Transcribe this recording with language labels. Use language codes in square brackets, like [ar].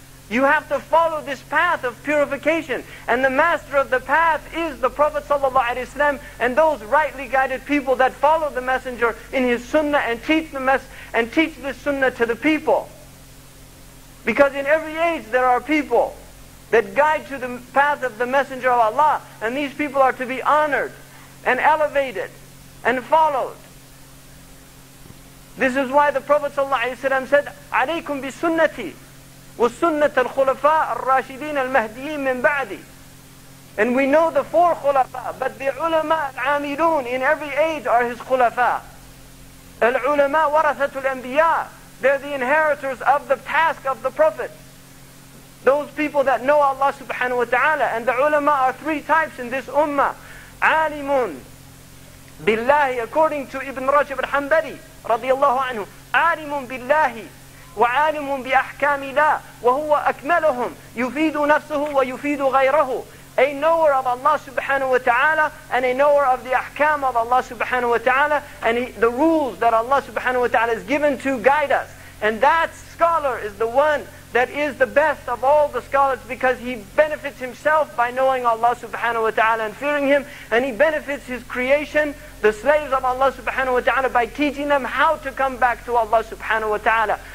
[en] You have to follow this path of purification. And the master of the path is the Prophet ﷺ and those rightly guided people that follow the Messenger in his sunnah and teach this sunnah to the people. Because in every age there are people that guide to the path of the Messenger of Allah. And these people are to be honored and elevated and followed. [ar] This is why the Prophet ﷺ said, عَلَيْكُمْ بِسُنَّتِي وَسُنَّةَ الْخُلَفَاءَ الرَّاشِدِينَ الْمَهْدِيِينَ مِنْ بَعْدِي. [en] And we know the four khulafa, but the ulama al-amilun in every age are his khulafa. Al-ulama warathatul anbiya. They're the inheritors of the task of the Prophet. Those people that know Allah subhanahu wa ta'ala. And the ulama are three types in this ummah. Alimun billahi, according to Ibn Rajab al-Hanbali radiyallahu anhu. [ar] Alimun billahi وَعَالِمٌ بِأَحْكَامِ لَا وَهُوَ أَكْمَلُهُمْ يُفِيدُ نَفْسُهُ وَيُفِيدُ غَيْرَهُ. [en] A knower of Allah subhanahu wa ta'ala and a knower of the ahkam of Allah subhanahu wa ta'ala and the rules that Allah subhanahu wa ta'ala has given to guide us. And that scholar is the one that is the best of all the scholars because he benefits himself by knowing Allah subhanahu wa ta'ala and fearing Him, and he benefits his creation, the slaves of Allah subhanahu wa ta'ala, by teaching them how to come back to Allah subhanahu wa ta'ala.